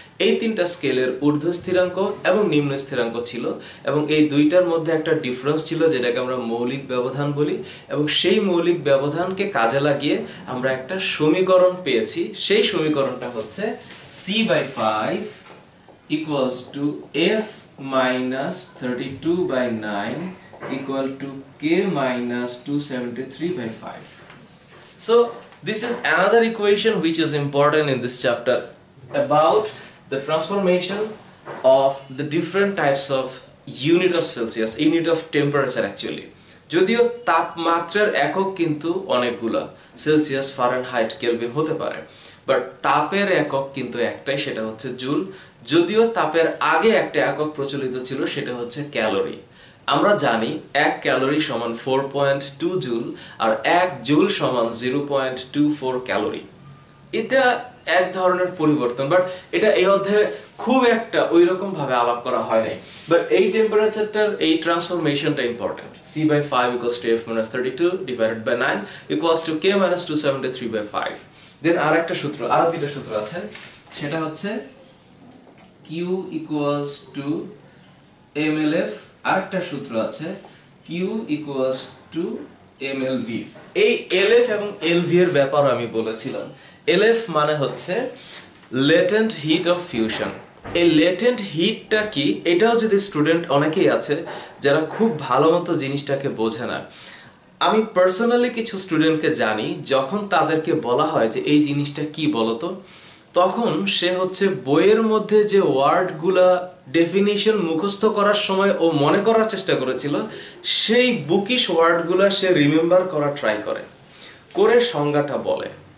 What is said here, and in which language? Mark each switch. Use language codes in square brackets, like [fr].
[bn] এই তিনটা স্কেলের ঊর্ধ্ব স্থিরাঙ্ক এবং নিম্ন স্থিরাঙ্ক ছিল, এবং এই দুইটার মধ্যে একটা ডিফারেন্স ছিল যেটাকে আমরা মৌলিক ব্যবধান বলি, এবং সেই মৌলিক ব্যবধানকে কাজে লাগিয়ে আমরা একটা সমীকরণ পেয়েছি, সেই সমীকরণটা হচ্ছে C/5 = F - 32/9 = K - 273/5. [en] So this is another equation which is important in this chapter about the transformation of the different types of unit of Celsius, unit of temperature actually. [bn] যদিও তাপমাত্রার একক কিন্তু অনেকগুলো, সেলসিয়াস, ফারেনহাইট, কেলভিন হতে পারে, but তাপের একক কিন্তু একটাই, সেটা হচ্ছে জুল। যদিও তাপের আগে একটা একক প্রচলিত ছিল, সেটা হচ্ছে ক্যালোরি। আমরা জানি 1 ক্যালোরি = 4.2 জুল আর 1 জুল = 0.24 ক্যালোরি। এটা এক ধরনের পরিবর্তন, বাট এটা এই অধ্যায়ে খুব একটা ওই রকম ভাবে আলাপ করা হয় নাই। বাট এই টেম্পারেচারটার এই ট্রান্সফরমেশনটা important. [en] C by five equals to F minus 32 divided by 9 equals to K minus 273 by 5। [bn] দেন আর একটা সূত্র, আরো দুইটা সূত্র আছে, সেটা হচ্ছে Q equals to M L F, আর একটা সূত্র আছে Q equals to M L V. এই এল এফ এবং এল ভি এর ব্যাপার আমি বলেছিলাম। LF মানে হচ্ছে latent heat of fusion। এই latent heatটা কি, এটাও যদি স্টুডেন্ট অনেকেই আছে যারা খুব ভালো মতো জিনিসটাকে বোঝে না। আমি পার্সোনালি কিছু স্টুডেন্টকে জানি, যখন তাদেরকে বলা হয় যে এই জিনিসটা কি বলতো, তখন সে হচ্ছে বইয়ের মধ্যে যে ওয়ার্ডগুলো ডেফিনিশন মুখস্থ করার সময় ও মনে করার চেষ্টা করেছিল, সেই বুকিশ ওয়ার্ডগুলো সে রিমেম্বার করা ট্রাই করে, করে সংজ্ঞাটা বলে।